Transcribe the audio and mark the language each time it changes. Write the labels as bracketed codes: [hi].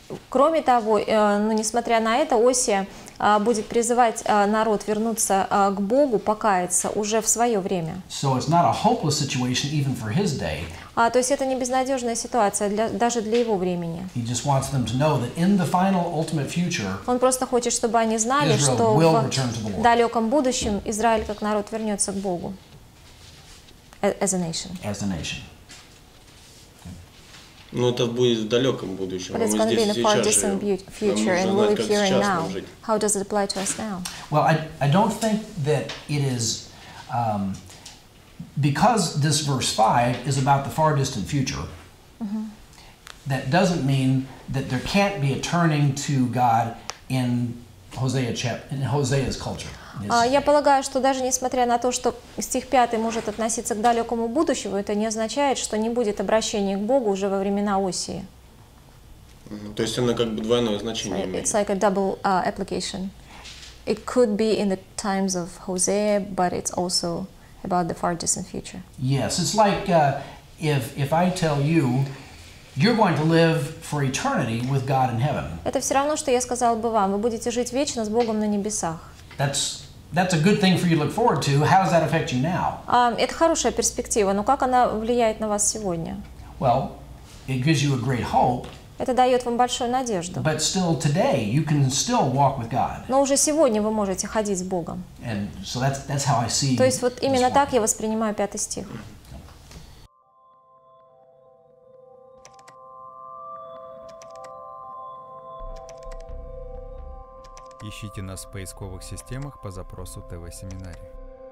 [ru] Кроме того, несмотря на это, Осия будет призывать народ вернуться к Богу, покаяться уже в свое время. [en] So it's not a hopeless situation even for his day. [ru] То есть это не безнадежная ситуация даже для его времени. [en] He just wants them to know that in the final, ultimate future. [ru] Он просто хочет, чтобы они знали, что в далеком будущем Израиль как народ вернется к Богу. [en] As a nation. [ru] Но это будет в далеком будущем. [en] But it's going to be in the far distant future, and we'll live here and now. How does it apply to us now? Well, I don't think that it is because this verse 5 is about the far distant future. Mm-hmm. That doesn't mean that there can't be a turning to God in Hosea's culture. [ru] Я полагаю, что даже несмотря на то, что стих 5 может относиться к далекому будущему, это не означает, что не будет обращения к Богу уже во времена Осии. То есть оно как бы двойное значение имеет. [en] It's like a double application. It could be in the times of Hosea, but it's also about the far distant future. Yes, it's like if I tell you you're going to live for eternity with God in heaven. [ru] Это все равно, что я сказал бы вам, вы будете жить вечно с Богом на небесах. [en] That's a good thing for you to look forward to. How does that affect you now? [ru] Это хорошая перспектива, но как она влияет на вас сегодня? [en] Well, it gives you a great hope. [ru] Это дает вам большую надежду. [en] But still today, you can still walk with God. [ru] Но уже сегодня вы можете ходить с Богом. [en] And so that's how I see. [ru] То есть вот именно так я воспринимаю пятый стих. Ищите нас в поисковых системах по запросу ТВ-семинария.